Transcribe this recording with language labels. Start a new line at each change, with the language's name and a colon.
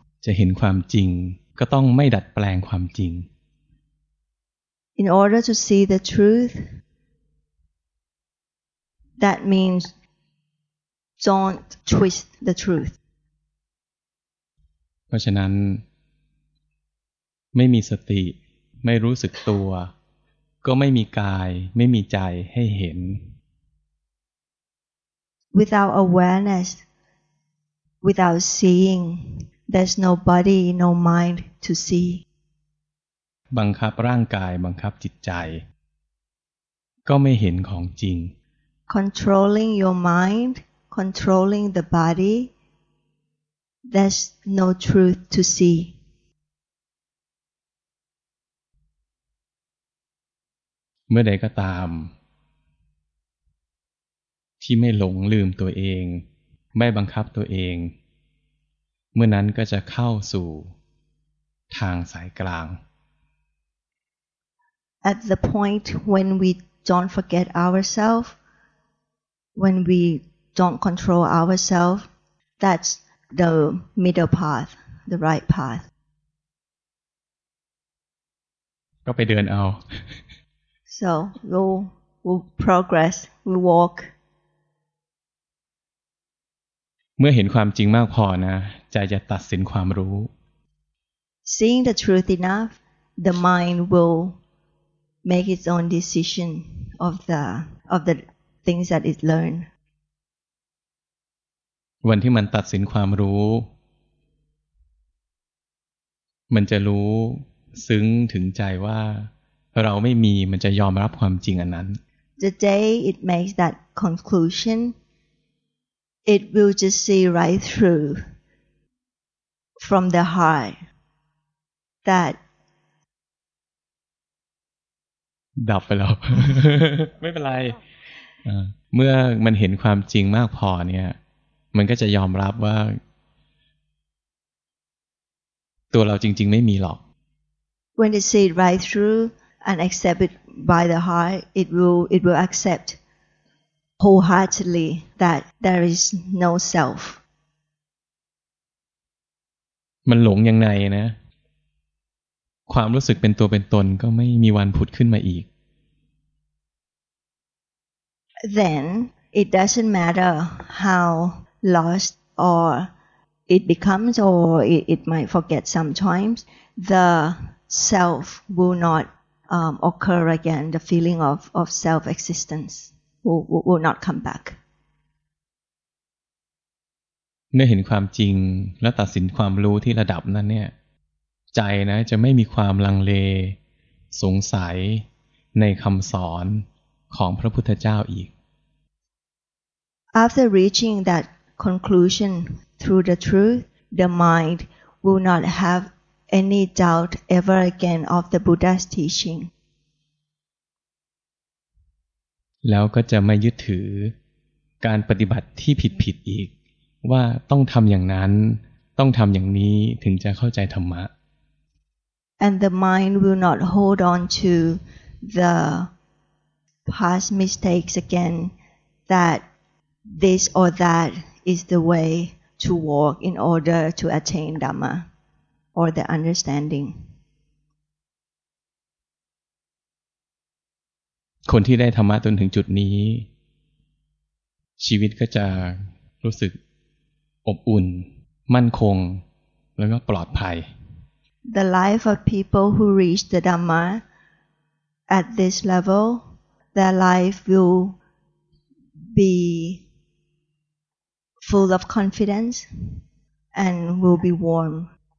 Thai: จะเห็นความจริงก็ต้องไม่ดัดแปลงความจริง
English: In order to see the truth, that means don't twist the truth.
Thai: เพราะฉะนั้นไม่มีสติไม่รู้สึกตัวก็ไม่มีกายไม่มีใจให้เห็น
English: Without awarenessWithout seeing, there's no body, no mind to see.
Thai: บังคับร่างกายบังคับจิตใจก็ไม่เห็นของจริง
English: Controlling your mind, controlling the body, there's no truth to see.
Thai: เมื่อใดก็ตามที่ไม่หลงลืมตัวเองไม่บังคับตัวเองเมื่อนั้นก็จะเข้าสู่ทางสายกลาง
English: At the point when we don't forget ourselves, when we don't control ourselves, that's the middle path, the right path.
Thai: ก็ไปเดินเอา
English: so we'll progress we walk
Thai: เมื่อเห็นความจริงมากพอนะใจจะตัดสินความรู้
English: seeing the truth enough the mind will make its own decision of the things that it learned
Thai: วันที่มันตัดสินความรู้มันจะรู้ซึ้งถึงใจว่าเราไม่มีมันจะยอมรับความจริงอันนั้น
English: The day it makes that conclusion it will just see right through from the heart that
Thai: ดับไปแล้ว ไม่เป็นไรเมื่อมันเห็นความจริงมากพอเนี่ยมันก็จะยอมรับว่าตัวเราจริงๆไม่มีหรอก
English: When it sees right through and accept it by the heart, it will accept wholeheartedly that there is no self.
Thai: มันหลงยังไงนะความรู้สึกเป็นตัวเป็นตนก็ไม่มีวันผุดขึ้นมาอีก
English: Then it doesn't matter how lost or it becomes or it might forget sometimes the self will not occur again the feeling of self existence will not come back
Thai: เมื่อเห็นความจริงแล้วตัดสินความรู้ที่ระดับนั้นเนี่ยใจนะจะไม่มีความลังเลสงสัยในคำสอนของพระพุทธเจ้าอีก
English: After reaching that conclusion through the truth the mind will not haveAny doubt ever again of the Buddha's teaching?
Thai: แล้วก็จะไม่ยึดถือการปฏิบัติที่ผิดๆอีกว่าต้องทำอย่างนั้นต้องทำอย่างนี้ถึงจะเข้าใจธรรมะ
English: And the mind will not hold on to the past mistakes again that this or that is the way to walk in order to attain Dhamma. Or the understanding.
Thai: คนที่ได้ธรรมะจนถึงจุดนี้ชีวิตก็จะรู้สึกอบอุ่นมั่นคงแล้วก็ปลอดภัย
English: The life of people who reach the Dhamma at this level, their life will be full of confidence and will be warm.